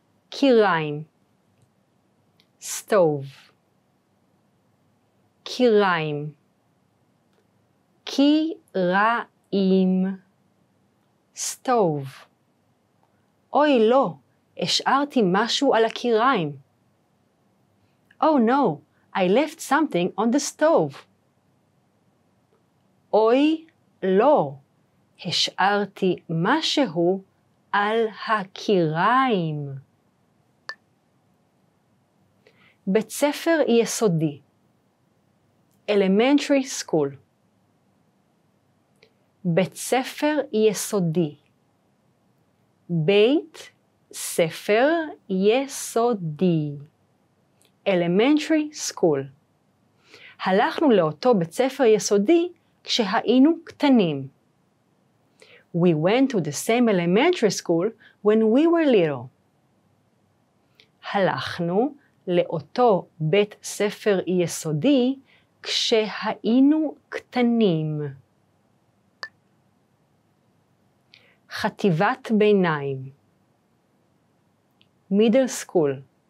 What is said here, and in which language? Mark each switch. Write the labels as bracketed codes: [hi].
[he] קיריים. [en] Stove. [he] קיריים. קיריים. [en] Stove. [he] אוי לא, השארתי משהו על הקיריים. [en] Oh no, I left something on the stove. [he] אוי לא, השארתי משהו על הקיריים. בית ספר יסודי. [en] Elementary school. [he] בית ספר יסודי. בית ספר יסודי. [en] Elementary school. [he] הלכנו לאותו בית ספר יסודי כשהיינו קטנים. [en] We went to the same elementary school when we were little. [he] הלכנו לאותו בית ספר יסודי כשהיינו קטנים. חטיבת ביניים. [en] Middle school.